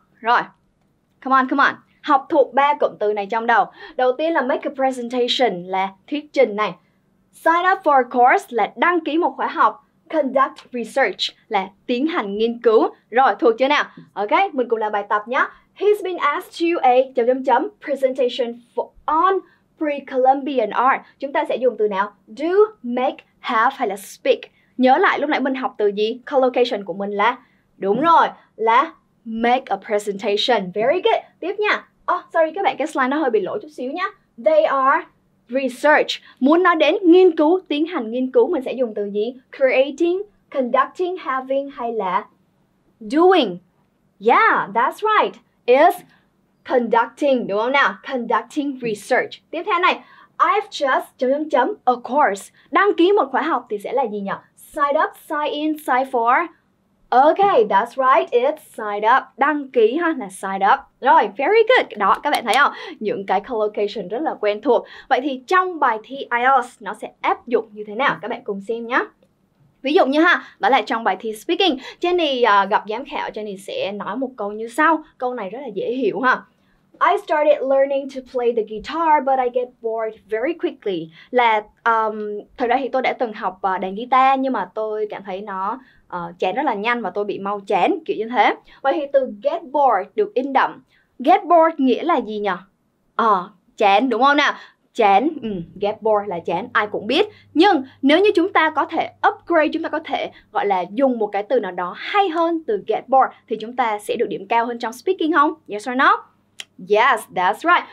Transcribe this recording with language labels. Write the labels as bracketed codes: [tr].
[vi] Rồi, [en] come on, come on. [vi] Học thuộc 3 cụm từ này trong đầu. Đầu tiên là [en] make a presentation, [vi] là thuyết trình này. [en] Sign up for a course, [vi] là đăng ký một khóa học. [en] Conduct research [vi] là tiến hành nghiên cứu. Rồi, thuộc chưa nào? Ok, mình cùng làm bài tập nhé. [en] He's been asked to a ...presentation on pre-Columbian art. [vi] Chúng ta sẽ dùng từ nào? Do, make, have hay là speak. Nhớ lại lúc nãy mình học từ gì? Collocation của mình là... Đúng rồi, là [en] make a presentation. Very good. [vi] Tiếp nha. [en] Oh, sorry [vi] các bạn, cái slide nó hơi bị lỗi chút xíu nhé. [en] They are... research, [vi] muốn nói đến nghiên cứu, tiến hành nghiên cứu, mình sẽ dùng từ gì? [en] Creating, conducting, having [vi] hay là [en] doing? Yeah, that's right. Is conducting, [vi] đúng không nào? [en] Conducting research. [vi] Tiếp theo này, [en] I've just ...a course. [vi] Đăng ký một khóa học thì sẽ là gì nhỉ? [en] Sign up, sign in, sign for. Okay, that's right, it's signed up. [vi] Đăng ký ha, là [en] signed up. [vi] Rồi, [en] very good. [vi] Đó, các bạn thấy không? Những cái collocation rất là quen thuộc. Vậy thì trong bài thi IELTS nó sẽ áp dụng như thế nào? Các bạn cùng xem nhé. Ví dụ như ha, đó là trong bài thi speaking, Jenny gặp giám khảo, Jenny sẽ nói một câu như sau. Câu này rất là dễ hiểu ha. [en] I started learning to play the guitar, but I get bored very quickly. [vi] Là, thật ra thì tôi đã từng học đàn guitar, nhưng mà tôi cảm thấy nó chán rất là nhanh và tôi bị mau chán, kiểu như thế. Vậy thì từ get bored được in đậm. Get bored nghĩa là gì nhỉ? Chán, đúng không nào? Chán, get bored là chán, ai cũng biết. Nhưng nếu như chúng ta có thể upgrade, chúng ta có thể gọi là dùng một cái từ nào đó hay hơn từ get bored, thì chúng ta sẽ được điểm cao hơn trong speaking không? [en] Yes or not? Yes, that's right.